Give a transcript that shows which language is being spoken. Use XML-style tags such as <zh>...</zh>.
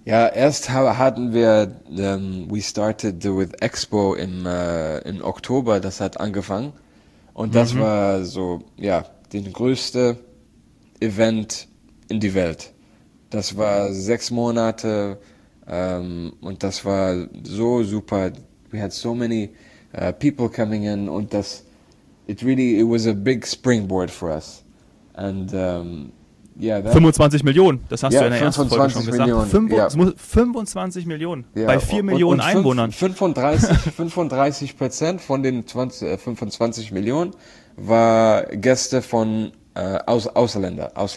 <de>Ja, erst hatten wir,</de> <en>we started with Expo</en> <de>im Oktober, das hat angefangen. Und das war so, ja, den größte Event in die Welt. Das war 6 Monate und das war so super.</de> <en>We had so many people coming in</en> <de>und das...</de> <en>It was a big springboard for us. And yeah, that</en> <de>25 Millionen, das hast du in der ersten Folge schon gesagt. Yeah. 25 Millionen bei 4 Millionen und Einwohnern. 35% von den 25 Millionen war Gäste von Ausländer.</de>